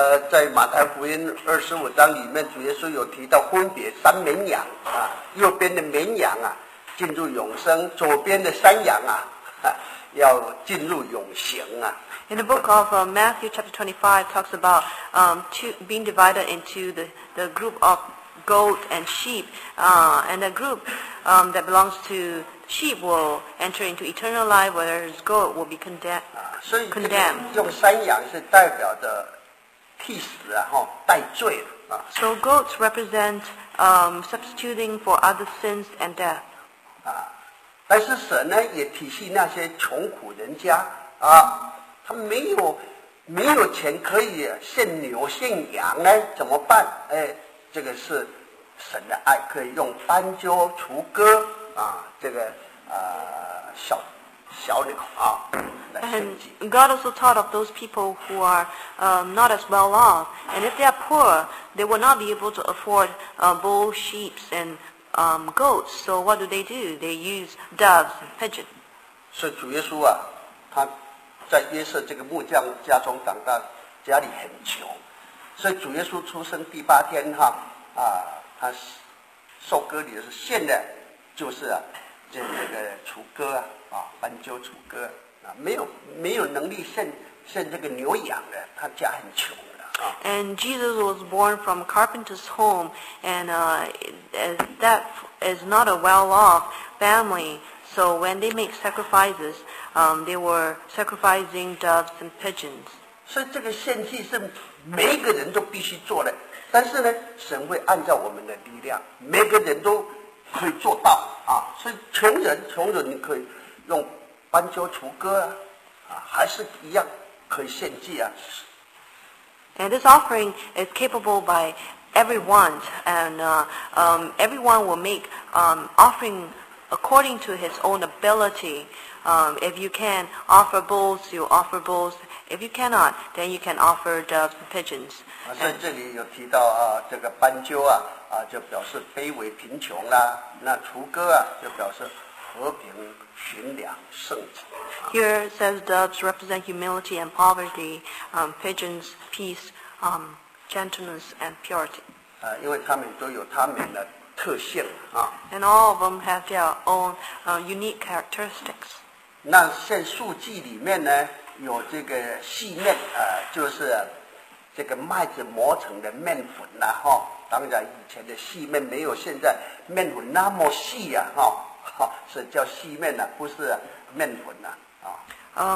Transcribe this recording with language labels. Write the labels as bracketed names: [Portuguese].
[Chinese] 在马太福音二十五章里面，主耶稣有提到分别三绵羊啊，右边的绵羊啊进入永生，左边的山羊啊要进入永刑啊。 [English] In the book of Matthew chapter 25 talks about being divided into the group of goat and sheep, and the group that belongs to sheep will enter into eternal life, whereas goat will be condemned. [Chinese] 所以用山羊是代表的。替死啊，哈，代罪啊。 [English] So goats represent substituting for other sins and death. [Chinese] 啊，但是神呢也体恤那些穷苦人家啊，他没有钱可以献牛献羊呢，怎么办？这个是神的爱，可以用斑鸠、雏鸽啊，这个小鸟啊。 [English] And God also thought of those people who are not as well off. And if they are poor, they will not be able to afford bulls, sheep, and goats. So what do? They use doves and pigeons. [Chinese] 所以主耶稣啊，他在约瑟这个木匠家中长大，家里很穷。所以主耶稣出生第八天哈啊，他受割礼的时候献的就是啊，这个雏鸽啊，斑鸠雏鸽。没有能力献这个牛羊的，他家很穷的、啊。 [English] And Jesus was born from a carpenter's home, and that is not a well-off family. So when they make sacrifices, they were sacrificing doves and pigeons. [Chinese] 所以这个献祭是每个人都必须做的，但是呢，神会按照我们的力量，每个人都可以做到啊。所以穷人你可以用。斑鸠雏鸽啊，还是一样可以献祭啊。 [English] And this offering is capable by everyone, and everyone will make offering according to his own ability. If you can offer bulls, you offer bulls. If you cannot, then you can offer doves and pigeons. [Chinese] 所以这里有提到啊，这个斑鸠啊啊，就表示卑微贫穷啦。那雏鸽啊，就表示。和平、寻良、圣洁。 [English] Here says doves represent humility and poverty, pigeons peace, gentleness and purity. [Chinese] 因为他们都有他们的特性啊。 [English] And all of them have their own unique characteristics. [Chinese] 那献素祭里面呢，有这个细面，就是这个麦子磨成的面粉呐，哈。当然以前的细面没有现在面粉那么细啊，哈、哦，是叫细面呢、啊，不是面粉呢、啊，啊、